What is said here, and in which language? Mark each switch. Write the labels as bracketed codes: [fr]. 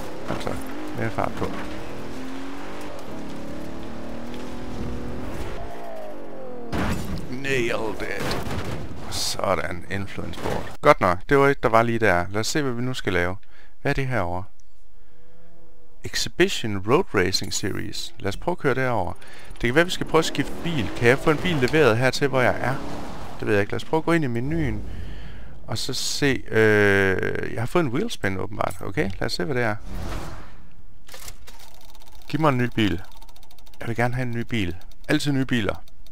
[da] Altså, mere fart på. [en] Nailed it. [da] Sådan, influence board. Godt nok, det var et, der var lige der. Lad os se, hvad vi nu skal lave. Hvad er det herovre? [en] Exhibition Road Racing Series. [da] Lad os prøve at køre derovre. Det kan være, vi skal prøve at skifte bil. Kan jeg få en bil leveret hertil, hvor jeg er? Det ved jeg ikke. Lad os prøve at gå ind i menuen. Og så se... jeg har fået en wheelspin, åbenbart. Okay, lad os se, hvad det er. Giv mig en ny bil. Jeg vil gerne have en ny bil. Altid nye biler.